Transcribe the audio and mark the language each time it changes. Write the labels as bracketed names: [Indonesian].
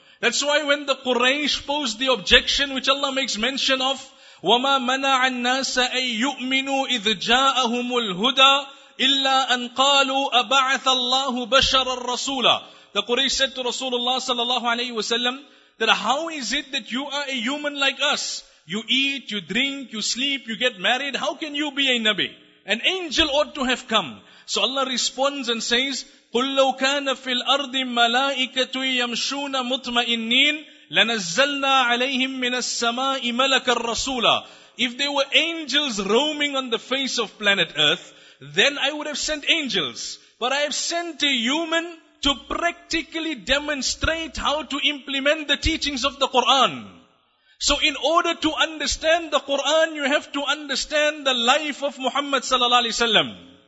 [English] That's why when the Quraysh posed the objection, which Allah makes mention of, [Arabic] وَمَا مَنَعَ النَّاسَ أَن يُؤْمِنُوا إِذْ جَاءَهُمُ الْهُدَىٰ إِلَّا أَن قَالُوا أَبَعَثَ اللَّهُ بَشَرًا رَسُولًا. [English] The Quraysh said to Rasulullah sallallahu alayhi wasallam that how is it that you are a human like us? You eat, you drink, you sleep, you get married. How can you be a Nabi? An angel ought to have come. So Allah responds and says, [Arabic] قُلْ لَوْ كَانَ فِي الْأَرْضِ مَلَائِكَةٌ يَمْشُونَ مُطْمَئِنِّينَ لَنَزَّلْنَا عَلَيْهِمْ مِنَ السَّمَاءِ مَلَكًا رَسُولًا. [English] If there were angels roaming on the face of planet earth, then I would have sent angels. But I have sent a human to practically demonstrate how to implement the teachings of the Quran. So in order to understand the Quran, you have to understand the life of Muhammad sallallahu alayhi wasallam.